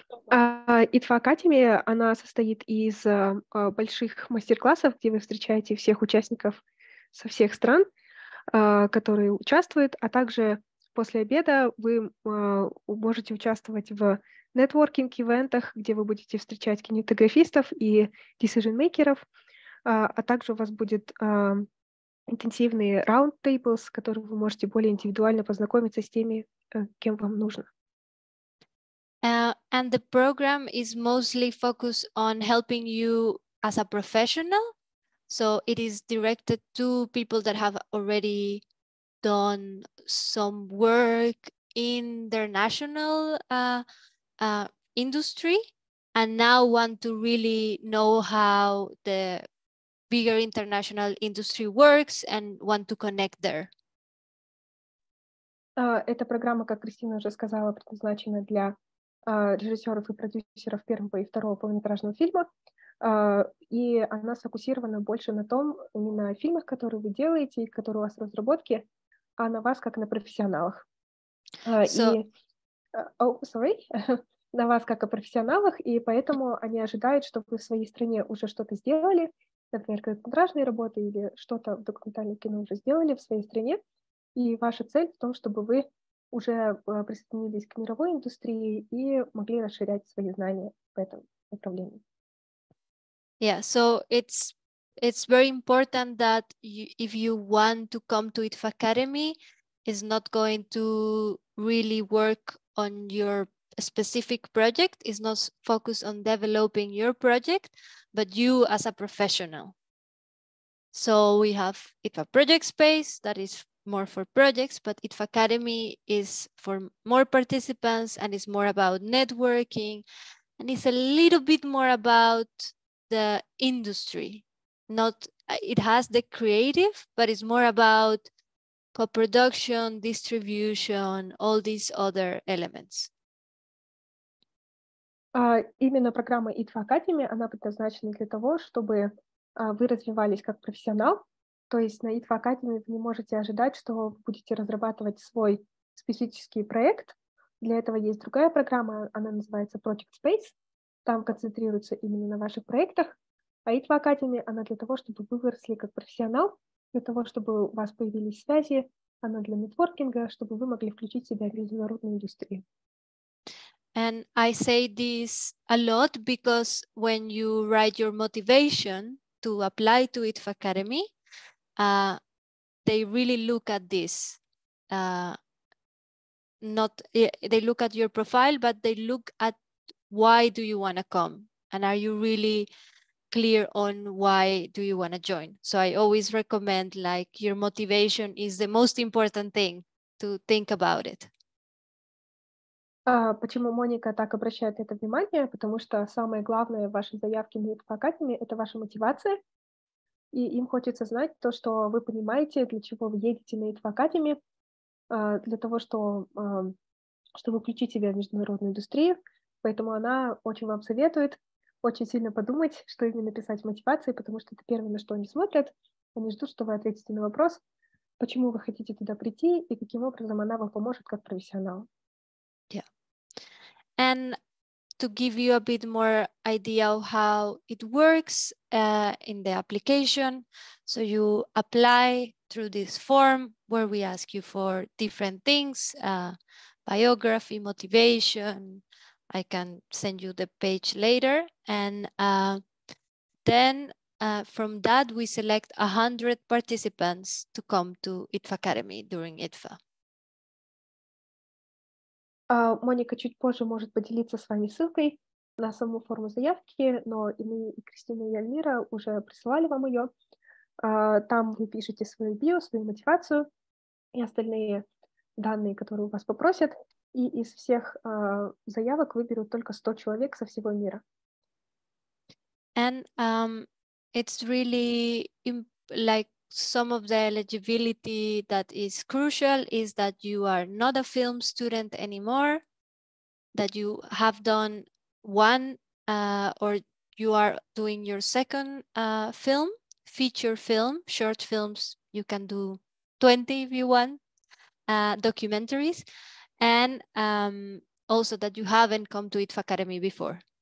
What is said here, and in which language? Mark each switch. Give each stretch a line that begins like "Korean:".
Russian: IDFAcademy, она состоит из больших мастер-классов, где вы встречаете всех участников со всех стран, которые участвуют, а также после обеда вы можете участвовать в нетворкинг-ивентах, где вы будете встречать кинематографистов и decision-makers, а также у вас будет интенсивные round-tables, с которыми вы можете более индивидуально познакомиться с теми, кем вам нужно.
English: And the program is mostly focused on helping you as a professional, so it is directed to people that have already done some work in their national industry and now want to really know how the bigger international industry works and want to connect there.
Russian: Эта программа, как Кристина уже сказала, предназначена для режиссеров и продюсеров первого и второго полнометражного фильма, и она сфокусирована больше на том, не на фильмах, которые вы делаете и которые у вас в разработке, а на вас как на профессионалах. На вас как о профессионалах, и поэтому они ожидают, что вы в своей стране уже что-то сделали, например, короткометражные работы или что-то в документальном кино уже сделали в своей стране, и ваша цель в том, чтобы вы уже присоединились к мировой индустрии и могли расширять свои знания в этом направлении.
English: Yeah, so it's very important that if you want to come to IDFAcademy, it's not going to really work on your specific project, it's not focused on developing your project, but you as a professional. So we have IDFA Project Space that is more for projects, but IDFAcademy is for more participants and is more about networking. And it's a little bit more about the industry. Not, it has the creative, but it's more about co-production, distribution, all these other elements.
Russian: Именно программа IDFAcademy, она предназначена для того, чтобы вы развивались как профессионал. То есть на IDFAcademy вы не можете ожидать, что вы будете разрабатывать свой специфический проект. Для этого есть другая программа, она называется Project Space. Там концентрируется именно на ваших проектах. А IDFAcademy, она для того, чтобы вы выросли как профессионал, для того, чтобы у вас появились связи, она для нетворкинга, чтобы вы могли включить себя в международную индустрию.
English: And I say this a lot because when you write your motivation to apply to IDFAcademy, they really look at this. Not they look at your profile, but they look at why do you want to come? And are you really clear on why do you want to join? So I always recommend, like, your motivation is the most important thing to think about it.
Russian: Почему Моника так обращает это внимание? Потому что самое главное в вашей заявке на IDFAcademy — это ваша мотивация. И им хочется знать то, что вы понимаете, для чего вы едете на IDFAcademy, для того, чтобы включить себя в международную индустрию. Поэтому она очень вам советует очень сильно подумать, что именно писать в мотивации, потому что это первое, на что они смотрят. Они ждут, что вы ответите на вопрос, почему вы хотите туда прийти и каким образом она вам поможет как профессионал.
English: And to give you a bit more idea of how it works in the application, so you apply through this form where we ask you for different things, biography, motivation. I can send you the page later. And then from that, we select 100 participants to come to IDFAcademy during IDFA.
Russian: Моника чуть позже может поделиться с вами ссылкой на саму форму заявки, но и мы, и Кристина, и Альмира уже присылали вам ее. Там вы пишете свою био, свою мотивацию и остальные данные, которые у вас попросят, и из всех заявок выберут только 100 человек со всего мира.
English: And it's really like some of the eligibility that is crucial is that you are not a film student anymore, that you have done one or you are doing your second film, feature film, short films, you can do 20 if you want, documentaries, and also that you haven't come to IDFAcademy before.